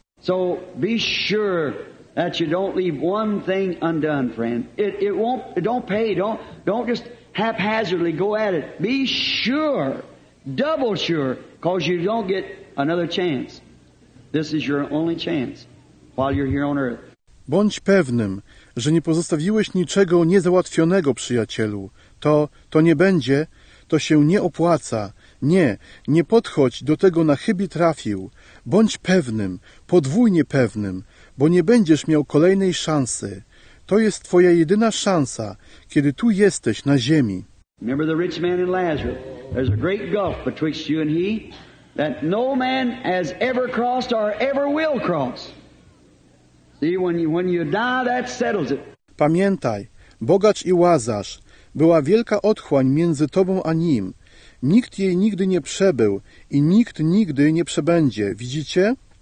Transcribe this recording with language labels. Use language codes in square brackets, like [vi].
[en] So be sure that you don't leave one thing undone, friend. It won't pay. Don't just haphazardly go at it. Be sure, double sure. Because you don't get another chance. This is your only chance while you're here on earth. [pl] Bądź pewnym, że nie pozostawiłeś niczego niezałatwionego, przyjacielu. To nie będzie, to się nie opłaca. Nie podchodź do tego na chybi trafił. Bądź pewnym, podwójnie pewnym, bo nie będziesz miał kolejnej szansy. To jest twoja jedyna szansa, kiedy tu jesteś na ziemi. [en] Remember the rich man and Lazarus. There's a great gulf betwixt you and he that no man has ever crossed or ever will cross. See, when you die, that settles it. [pl] Pamiętaj, bogacz i Łazarz, była wielka otchłań między tobą a nim. Nikt jej nigdy nie przebył i nikt nigdy nie przebędzie. Widzicie?